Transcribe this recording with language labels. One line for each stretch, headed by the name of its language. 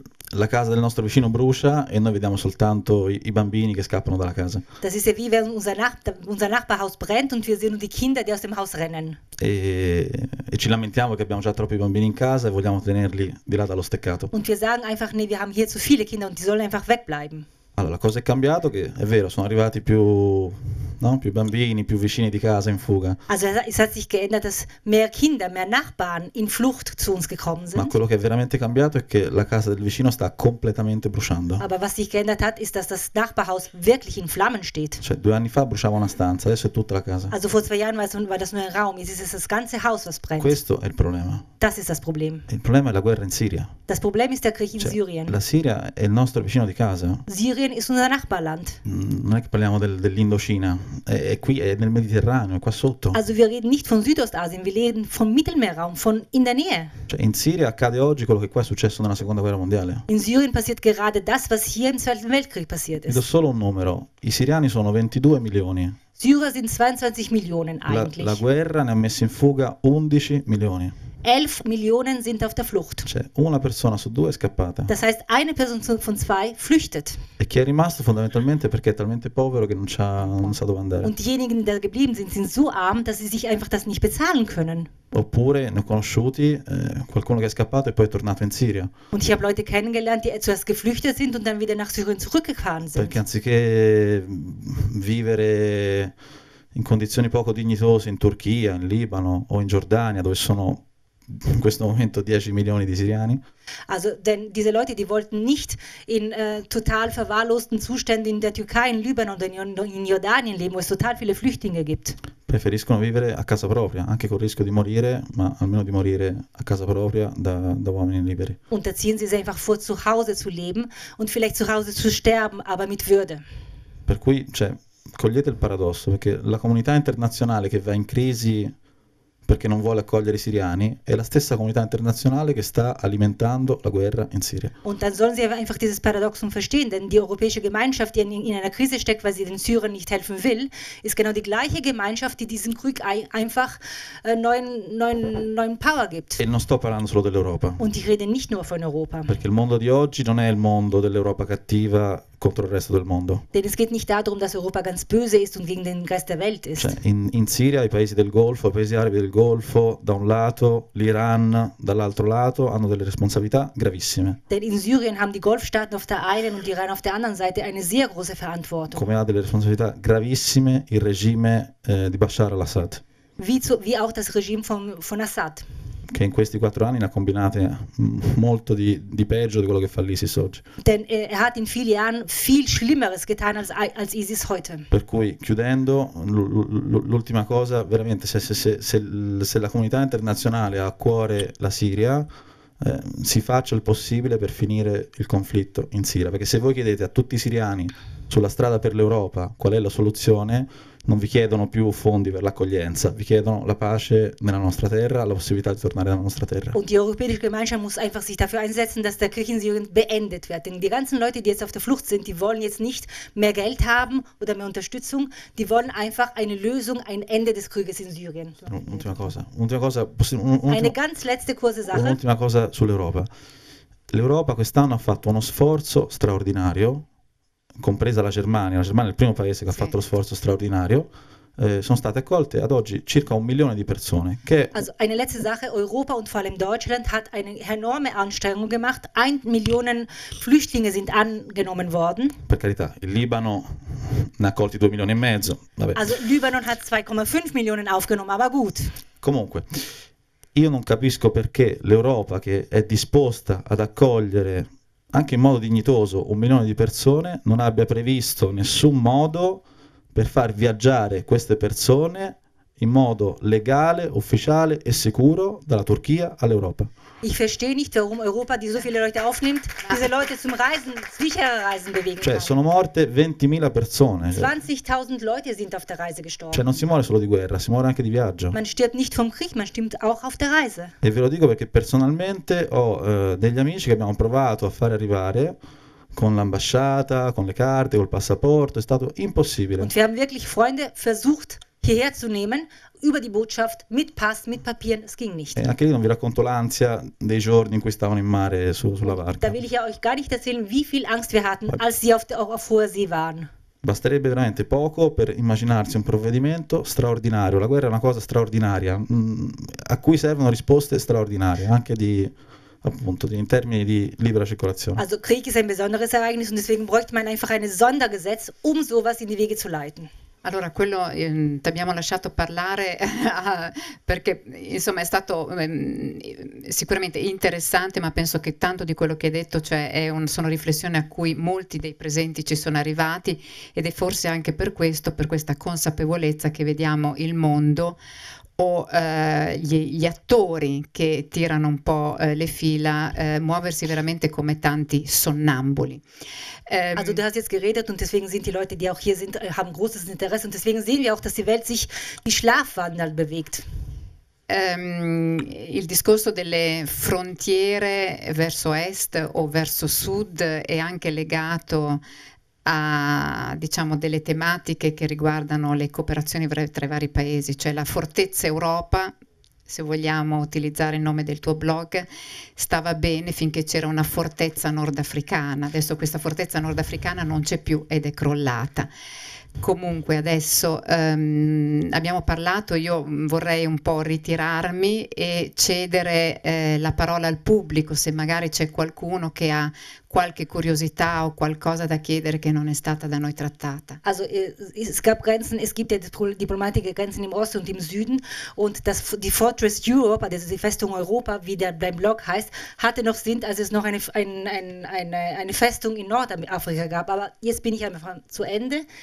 Italian: La casa del nostro vicino brucia e noi vediamo soltanto i bambini che scappano dalla casa.
German: Das ist ja wie wenn unser Nachbarhaus brennt und wir sehen nur die Kinder, die aus dem Haus rennen.
Italian: E ci lamentiamo che abbiamo già troppi bambini in casa e vogliamo tenerli di là dallo steccato.
German: Und wir sagen einfach, nee, wir haben hier zu viele Kinder und die sollen einfach wegbleiben.
Italian: Allora, la cosa è cambiato, che è vero, sono arrivati più, no? Più bambini, più vicini di casa in fuga.
German: Also, es hat sich geändert, dass mehr Kinder, mehr Nachbarn in Flucht zu uns gekommen sind.
Italian: Ma quello che è veramente cambiato è che la casa del vicino sta completamente bruciando.
German: Aber was sich geändert hat, ist, dass das Nachbarhaus wirklich in Flammen steht.
Italian: Cioè, due anni fa bruciava una stanza, adesso è tutta la casa.
German: Also, vor zwei Jahren war das nur ein Raum, jetzt ist es das ganze Haus, was brennt.
Italian: Questo è il problema.
German: Das ist das Problem.
Italian: Il problema è la guerra in Siria.
German: Das Problem ist der Krieg in Syrien.
Italian: La Siria è il nostro vicino di casa.
German: Syrien ist unser Nachbarland.
Italian: Non è che parliamo dell'Indocina. È qui, è nel Mediterraneo, è qua sotto.
German: Also wir reden nicht von Südostasien, wir reden vom Mittelmeerraum, von in der Nähe.
Italian: Cioè, in Siria accade oggi quello che qua è successo nella Seconda Guerra Mondiale.
German: In Syrien passiert gerade das, was hier im Zweiten Weltkrieg passiert ist.
Italian: Vi do solo un numero. I siriani sono 22 milioni.
German: Syrer sind 22 Millionen eigentlich.
Italian: La guerra ne ha messi in fuga 11 milioni.
German: 11 Millionen sind auf der Flucht.
Italian: Cioè, una persona su due è scappata.
German: Das heißt, eine Person von zwei flüchtet.
Italian: E chi è rimasto fondamentalmente perché è talmente povero che non sa dove andare.
German: Und diejenigen, die geblieben sind, sind so arm, dass sie sich einfach das nicht bezahlen können.
Italian: Oppure ne ho conosciuti qualcuno che è scappato e poi è tornato in Siria.
German: Und ich habe Leute kennengelernt, die zuerst geflüchtet sind und dann wieder nach Syrien zurückgefahren sind.
Italian: Perché anziché vivere in condizioni poco dignitose in Turchia, in Libano o in Giordania, dove sono in questo momento 10 milioni di siriani.
German: Also, denn diese Leute, die wollten nicht in total verwahrlosten Zuständen in der Türkei, in Libanon oder in Jordanien leben, wo es total viele Flüchtlinge gibt.
Italian: Preferiscono vivere a casa propria, anche col rischio di morire, ma almeno di morire a casa propria da uomini liberi.
German: Unterziehen sie sich einfach vor, zu Hause zu leben und vielleicht zu Hause zu sterben, aber mit Würde.
Italian: Per cui, cioè, cogliete il paradosso, perché la comunità internazionale che va in crisi perché non vuole accogliere i siriani è la stessa comunità internazionale che sta alimentando la guerra in Siria.
German: Und dann sollen sie einfach dieses Paradoxon verstehen, denn die europäische Gemeinschaft, die in einer Krise steckt, weil sie den Syrern nicht helfen will, ist genau die gleiche Gemeinschaft, die diesen Krieg einfach neuen Power gibt.
Italian: E non sto parlando solo dell'Europa.
German: Und ich rede nicht nur von Europa.
Italian: Perché il mondo di oggi non è il mondo dell'Europa cattiva contro il resto del mondo.
German: Denn es geht nicht darum, dass Europa ganz böse ist und gegen den Rest der Welt ist.
Italian: Cioè, in Siria i paesi del Golfo, i paesi arabi del Golfo, da un lato, l'Iran dall'altro lato hanno delle responsabilità gravissime.
German: Denn in Syrien haben die Golfstaaten auf der einen und Iran auf der anderen Seite eine sehr große Verantwortung.
Italian: Come ha delle responsabilità gravissime il regime di Bashar al-Assad.
German: Wie auch das Regime von Assad.
Italian: Che in questi quattro anni ne ha combinate molto di peggio di quello che fa l'ISIS oggi.
German: Denn er hat in vielen Jahren viel Schlimmeres getan als ISIS heute.
Italian: Per cui, chiudendo, l'ultima cosa, veramente, se la comunità internazionale ha a cuore la Siria, si faccia il possibile per finire il conflitto in Siria. Perché se voi chiedete a tutti i siriani sulla strada per l'Europa qual è la soluzione, non vi chiedono più fondi per l'accoglienza, vi chiedono la pace nella nostra terra, la possibilità di tornare nella nostra terra.
German: Und die europäische Gemeinschaft muss einfach sich dafür einsetzen, dass der Krieg in Syrien beendet wird. Denn die ganzen Leute, die jetzt auf der Flucht sind, die wollen jetzt nicht mehr Geld haben oder mehr Unterstützung, die wollen einfach eine Lösung, ein Ende des Krieges in Syrien.
Italian: Un'ultima cosa sull'Europa. L'Europa quest'anno ha fatto uno sforzo straordinario, compresa la Germania è il primo paese che ha fatto lo sforzo straordinario, sono state accolte ad oggi circa 1 milione di persone. Che
German: also eine letzte Sache, Europa und vor allem Deutschland hat eine enorme Anstrengung gemacht, 1 Million Flüchtlinge sind angenommen worden.
Italian: Per carità, il Libano ne ha accolti 2,5 milioni, vabbè.
German: Also Libanon hat 2,5 Millionen aufgenommen, aber gut.
Italian: Comunque, io non capisco perché l'Europa, che è disposta ad accogliere anche in modo dignitoso 1 milione di persone, non abbia previsto nessun modo per far viaggiare queste persone in modo legale, ufficiale e sicuro dalla Turchia all'Europa.
German: Ich verstehe nicht, warum Europa, die so viele Leute aufnimmt, diese Leute zum Reisen, sichere Reisen bewegen.
Italian: Cioè, sono morte 20.000 persone.
German: 20.000 Leute sind auf der Reise gestorben.
Italian: Cioè, non si muore solo di guerra, si muore anche di viaggio.
German: Man stirbt nicht vom Krieg, man stirbt auch auf der Reise.
Italian: E ve lo dico perché personalmente ho degli amici che abbiamo provato a fare arrivare con l'ambasciata, con le carte, col passaporto, è stato impossibile.
German: Und wir haben wirklich Freunde versucht hierher zu nehmen, über die Botschaft, mit Pass, mit Papieren, es ging nicht.
Italian: Anche lì non vi racconto l'ansia dei giorni in cui stavano in mare sulla barca.
German: Da will ich ja euch gar nicht erzählen, wie viel Angst wir hatten, als sie auf hoher See waren.
Italian: Basterebbe veramente poco per immaginarsi un provvedimento straordinario. La guerra è una cosa straordinaria, a cui servono risposte straordinarie, anche di... appunto in termini di libera circolazione.
German: Also Krieg ist ein besonderes Ereignis und deswegen bräuchte man einfach ein Sondergesetz, um sowas in die Wege zu leiten.
Italian: Allora, quello ti abbiamo lasciato parlare perché insomma è stato sicuramente interessante, ma penso che tanto di quello che hai detto, cioè, sono riflessioni a cui molti dei presenti ci sono arrivati, ed è forse anche per questo, per questa consapevolezza che vediamo il mondo o gli attori che tirano un po' le fila, muoversi veramente come tanti sonnambuli.
German: Also du hast jetzt geredet und deswegen sind die Leute, die auch hier sind, haben großes Interesse und deswegen sehen wir auch, dass die Welt sich wie Schlafwandler bewegt.
Italian: Il discorso delle frontiere verso est o verso sud è anche legato a, diciamo, delle tematiche che riguardano le cooperazioni tra i vari paesi, cioè la fortezza Europa, se vogliamo utilizzare il nome del tuo blog, stava bene finché c'era una fortezza nordafricana. Adesso questa fortezza nordafricana non c'è più ed è crollata. Comunque adesso abbiamo parlato, io vorrei un po' ritirarmi e cedere la parola al pubblico, se magari c'è qualcuno che ha qualche curiosità o qualcosa da chiedere che non è stata da noi trattata.
German: Also es gab Grenzen, es gibt ja diplomatische Grenzen im Osten und im Süden und das die Fortress Europe, also die Festung Europa, wie der dein Blog heißt, hatte noch Sinn, als es noch eine Festung in Nordafrika gab, aber jetzt bin ich einfach zu Ende.